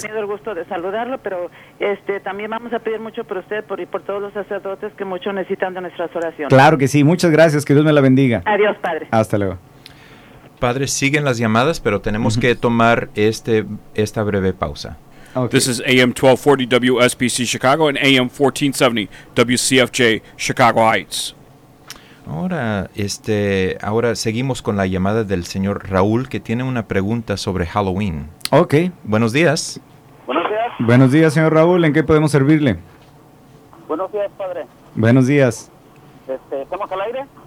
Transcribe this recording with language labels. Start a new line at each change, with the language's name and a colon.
Spanish: No he tenido el gusto de saludarlo, pero también vamos a pedir mucho por usted y por todos los sacerdotes que mucho necesitan de nuestras oraciones. Claro que sí, muchas gracias, que Dios me la bendiga. Adiós, padre. Hasta luego. Padre, siguen las llamadas, pero tenemos que tomar esta breve pausa. Okay.
English: This is AM 1240 WSBC Chicago and AM 1470 WCFJ Chicago Heights.
Spanish: Ahora, ahora seguimos con la llamada del señor Raúl, que tiene una pregunta sobre Halloween. Ok. Buenos días. Buenos días. Buenos días, señor Raúl. ¿En qué podemos servirle? Buenos días, padre. Buenos días. ¿Estamos al aire?